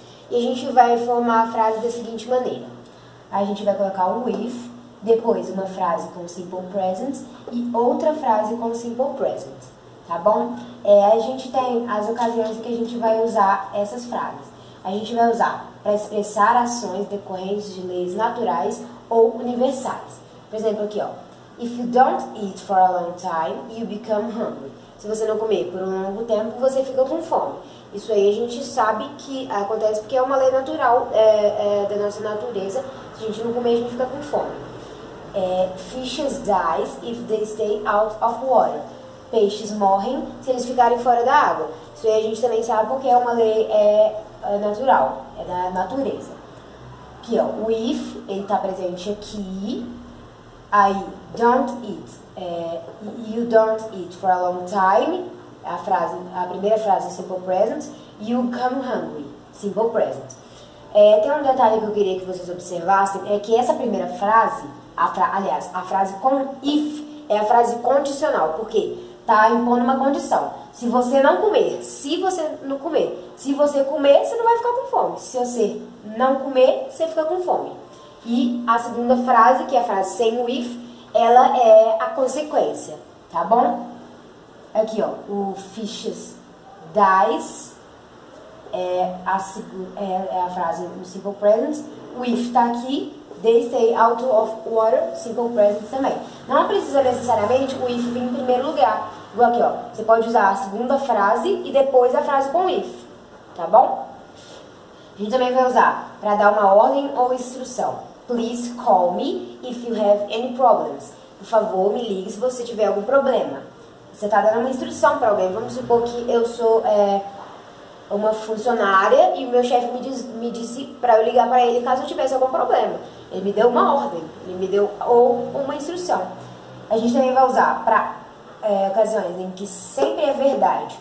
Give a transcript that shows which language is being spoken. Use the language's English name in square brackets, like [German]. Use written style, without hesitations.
[Portuguese] E a gente vai formar a frase da seguinte maneira. A gente vai colocar o if, depois uma frase com simple present e outra frase com simple present. Tá bom? A gente tem as ocasiões em que a gente vai usar essas frases. A gente vai usar para expressar ações decorrentes de leis naturais ou universais. Por exemplo, aqui, ó. [English] If you don't eat for a long time, you become hungry. [Portuguese] Se você não comer por um longo tempo, você fica com fome. Isso aí a gente sabe que acontece porque é uma lei natural da nossa natureza. Se a gente não comer, a gente fica com fome. [English] Fishes die if they stay out of water. [Portuguese] Peixes morrem se eles ficarem fora da água. Isso aí a gente também sabe porque é uma lei natural, é da natureza. Aqui, ó, o if, ele tá presente aqui. Aí, don't eat, [English] you don't eat for a long time, [Portuguese] a primeira frase é simple present, [English] you come hungry, [Portuguese] simple present. Tem um detalhe que eu queria que vocês observassem, é que essa primeira frase, a frase com if, é a frase condicional, porque tá impondo uma condição. Se você não comer, se você comer, você não vai ficar com fome. Se você não comer, você fica com fome. E a segunda frase, que é a frase sem o if, ela é a consequência, tá bom? Aqui, ó, o [English] fishes dies [Portuguese] é a frase no simple present. O if tá aqui, [English] they stay out of water, [Portuguese] simple present também. Não precisa necessariamente o if vir em primeiro lugar. Igual aqui, ó, você pode usar a segunda frase e depois a frase com if, tá bom? A gente também vai usar para dar uma ordem ou instrução. [English] Please call me if you have any problems. [Portuguese] Por favor, me ligue se você tiver algum problema. Você está dando uma instrução para alguém. Vamos supor que eu sou uma funcionária e o meu chefe me disse para eu ligar para ele caso eu tivesse algum problema. Ele me deu uma ordem, ele me deu ou uma instrução. A gente também vai usar para ocasiões em que sempre é verdade.